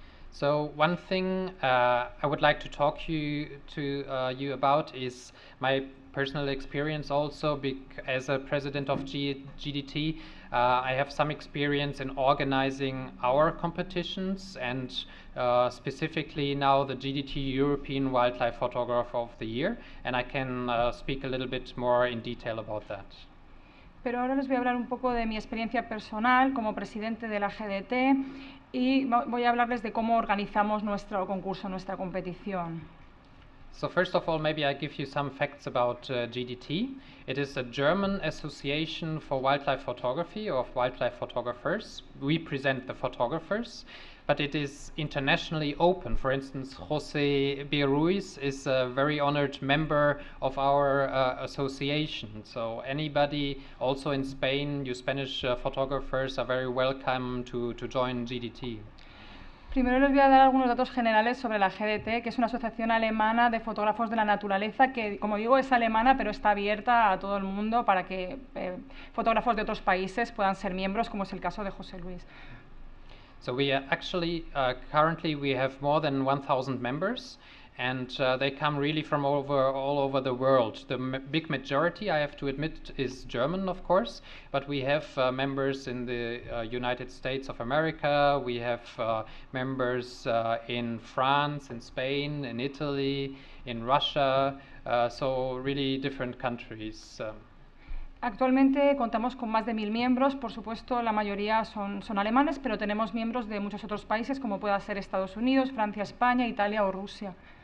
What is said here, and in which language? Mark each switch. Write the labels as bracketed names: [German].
[English] So one thing I would like to talk you about is my personal experience also, as a president of GDT. I have some experience in organizing our competitions, and specifically now the GDT European Wildlife Photographer of the Year, and I can speak a little bit more in detail about that. [Spanish] Pero ahora les voy a hablar un poco de mi experiencia personal como presidente de la GDT y voy a hablarles de cómo organizamos nuestro concurso, nuestra competición. [English] So first of all, maybe I give you some facts about GDT. It is a German Association for Wildlife Photography, or of Wildlife Photographers. We present the photographers, but it is internationally open. For instance, José Benito Ruiz is a very honored member of our association. So anybody, also in Spain, you Spanish photographers are very welcome to join GDT. [Spanish] Primero les voy a dar algunos datos generales sobre la GDT, que es una asociación alemana de fotógrafos de la naturaleza, que, como digo, es alemana, pero está abierta a todo el mundo para que fotógrafos de otros países puedan ser miembros, como es el caso de José Luis. [English] So we are actually, currently we have more than 1,000 members, and they come really from all over the world. The big majority, I have to admit, is German, of course, but we have members in the United States of America, we have members in France, in Spain, in Italy, in Russia, so really different countries. [Spanish] Actualmente contamos con más de 1,000 miembros. Por supuesto, la mayoría son alemanes, pero tenemos miembros de muchos otros países, como pueda ser Estados Unidos, Francia, España, Italia o Rusia.